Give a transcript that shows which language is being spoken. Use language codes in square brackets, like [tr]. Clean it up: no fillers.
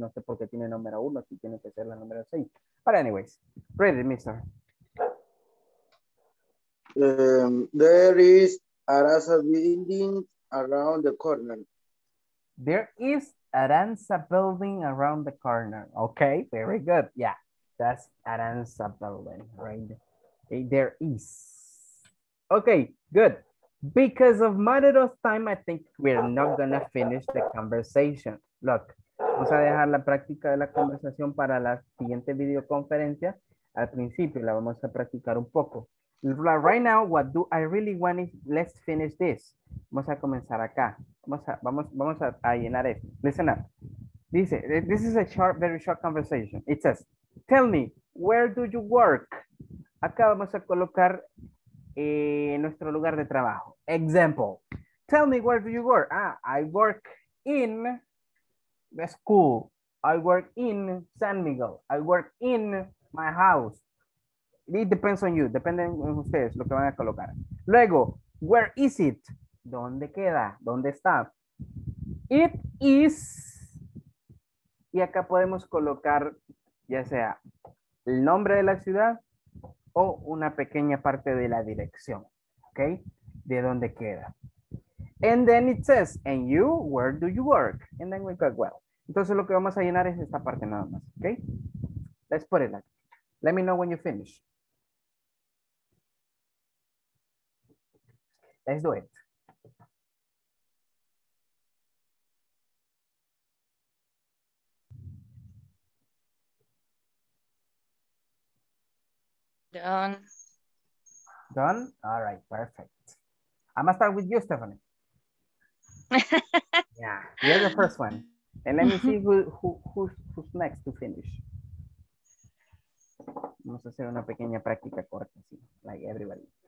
[es] No sé por qué tiene número 1, si tiene que ser la número 6. [en] But anyways, read it, mister. There is a ransa building around the corner. There is a ransa building around the corner. Okay, very good. Yeah, that's a ransa building, right? Okay, there is. Okay, good. Because of matter of time, I think we're not going to finish the conversation. Look. [es] Vamos a dejar la práctica de la conversación para la siguiente videoconferencia. Al principio la vamos a practicar un poco. [en] Right now, what do I really want is, let's finish this. [es] Vamos a comenzar acá. Vamos a llenar esto. [en] Listen up. [es] Dice, [en] this is a short, very short conversation. It says, tell me, where do you work? [es] Acá vamos a colocar nuestro lugar de trabajo. [en] Example, tell me, where do you work? Ah, I work in... the school, I work in San Miguel, I work in my house. It depends on you, [es] depende en ustedes lo que van a colocar. Luego, [en] where is it? [es] ¿Dónde queda? ¿Dónde está? [en] It is, [es] y acá podemos colocar ya sea el nombre de la ciudad o una pequeña parte de la dirección, ¿ok? De dónde queda. [en] And then it says, and you, where do you work? And then we go, well. [es] Entonces lo que vamos a llenar es esta parte nada más, ¿ok? [en] Let's put it like. Let me know when you finish. Let's do it. Done. All right, perfect. I'm gonna start with you, Stephanie. Yeah, you're the first one. And let me see who's next to finish. [es] Vamos a hacer una pequeña práctica corta, sí, [en] like everybody.